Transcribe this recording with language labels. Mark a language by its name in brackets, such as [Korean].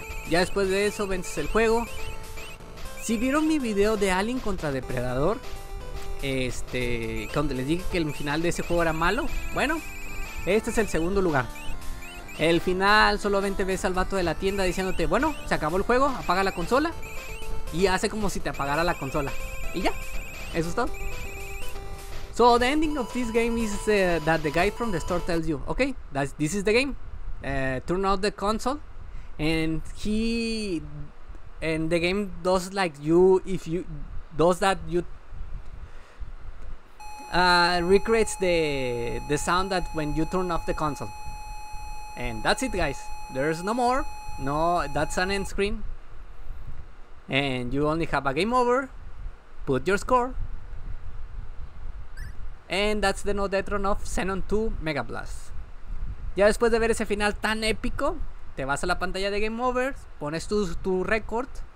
[Spanish] Ya después de eso vences el juego. Si vieron mi video de Alien contra Depredador, donde les dije que el final de ese juego era malo, bueno, este es el segundo lugar. El final solamente ves al vato de la tienda diciéndote, bueno, se acabó el juego, apaga la consola, y hace como si te apagara la consola. Y ya, eso es todo. [English] So the ending of this game is that the guy from the store tells you, okay, this is the game, turn off the console, and the game does like you, if you, does that you, recreates the sound that when you turn off the console. And that's it, guys, there's no more, no, that's an end screen, and you only have a game over, put your score. And that's the Nodetron of Xenon 2 Mega Blast. [Spanish] Ya después de ver ese final tan épico, te vas a la pantalla de Game Over, pones tu récord.